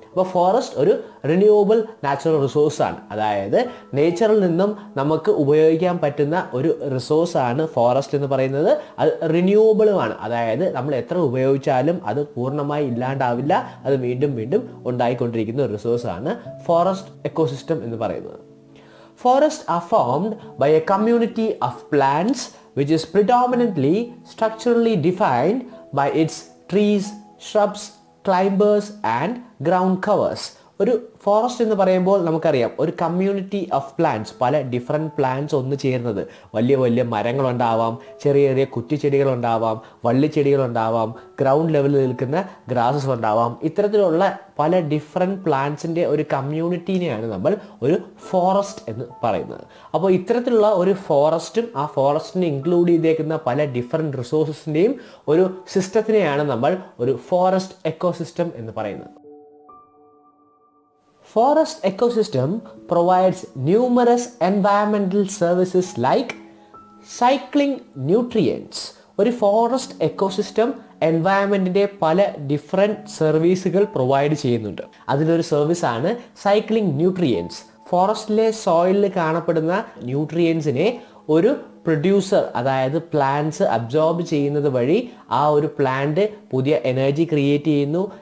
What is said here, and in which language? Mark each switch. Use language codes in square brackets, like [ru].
[ml] അപ്പോൾ ഫോറസ്റ്റ് ഒരു renewable natural റിസോഴ്സാണ്. അതായത് നേച്ചറിൽ നിന്നും നമുക്ക് ഉപയോഗിക്കാൻ പറ്റുന്ന ഒരു റിസോഴ്സാണ് ഫോറസ്റ്റ് എന്ന് പറയുന്നത്. അത് റിന്യൂവബിളുമാണ്, അതായത് നമ്മൾ എത്ര ഉപയോഗിച്ചാലും അത് പൂർണ്ണമായി ഇല്ലാണ്ടാവില്ല, അത് വീണ്ടും വീണ്ടും ഉണ്ടായിക്കൊണ്ടിരിക്കുന്ന ഒരു റിസോഴ്സാണ് ഫോറസ്റ്റ് എക്കോസിസ്റ്റം എന്ന് പറയുന്നത്. [en] Forest are formed by a community of plants which is predominantly structurally defined by its trees, shrubs, climbers and ground covers. [ml] ഒരു ഫോറസ്റ്റ് എന്ന് പറയുമ്പോൾ നമുക്കറിയാം ഒരു കമ്മ്യൂണിറ്റി ഓഫ് പ്ലാന്റ്സ്, പല ഡിഫറെൻ്റ് പ്ലാന്റ്സ് ഒന്ന് ചേർന്നത്. വലിയ വലിയ മരങ്ങളുണ്ടാവാം, ചെറിയ ചെറിയ കുറ്റിച്ചെടികളുണ്ടാവാം, വള്ളിച്ചെടികളുണ്ടാവാം, ഗ്രൗണ്ട് ലെവലിൽ നിൽക്കുന്ന ഗ്രാസസ് ഉണ്ടാവാം. ഇത്തരത്തിലുള്ള പല ഡിഫറെൻ്റ് പ്ലാന്റ്സിൻ്റെ ഒരു കമ്മ്യൂണിറ്റീനെയാണ് നമ്മൾ ഒരു ഫോറസ്റ്റ് എന്ന് പറയുന്നത്. അപ്പോൾ ഇത്തരത്തിലുള്ള ഒരു ഫോറസ്റ്റും ആ ഫോറസ്റ്റിനെ ഇൻക്ലൂഡ് ചെയ്തേക്കുന്ന പല ഡിഫറെൻറ്റ് റിസോഴ്സസിൻ്റെയും ഒരു സിസ്റ്റത്തിനെയാണ് നമ്മൾ ഒരു ഫോറസ്റ്റ് എക്കോസിസ്റ്റം എന്ന് പറയുന്നത്. [en] Forest ecosystem provides numerous environmental services like cycling nutrients. [ml] ഒരു ഫോറസ്റ്റ് എക്കോസിസ്റ്റം എൻവയറമെൻറ്റിൻ്റെ പല ഡിഫറെൻറ്റ് സർവീസുകൾ പ്രൊവൈഡ് ചെയ്യുന്നുണ്ട്. അതിലൊരു സർവീസാണ് സൈക്ലിംഗ് ന്യൂട്രിയൻസ്. ഫോറസ്റ്റിലെ സോയിലിൽ കാണപ്പെടുന്ന ന്യൂട്രിയൻസിനെ ഒരു പ്രൊഡ്യൂസർ, അതായത് പ്ലാന്റ്സ് അബ്സോർബ് ചെയ്യുന്നത് വഴി ആ ഒരു പ്ലാന്റ് പുതിയ എനർജി ക്രിയേറ്റ് ചെയ്യുന്നു.